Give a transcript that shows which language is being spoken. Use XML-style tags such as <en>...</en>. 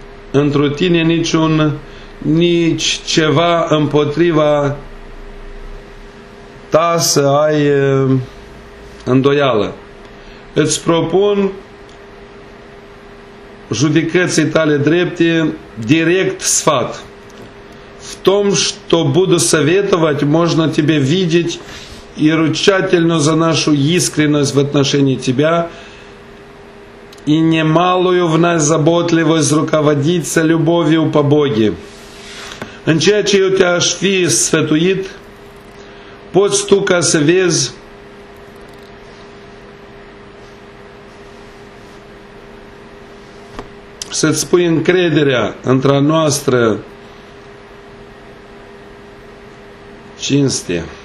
<ro>întru tine niciun, nici ceva împotriva ta să ai îndoială. Îți propun judecății tale drepte direct sfat.</ro> <ru>В том, что буду советовать, можно тебе видеть и ручательно за нашу искренность в отношении Тебя и немалую в нас заботливость руководиться любовью по Боге.</ru> <ro>În ceea ce eu te-aș fi sfătuit, poți tu ca să vezi să-ți pui încrederea între a noastră cinste.</ro>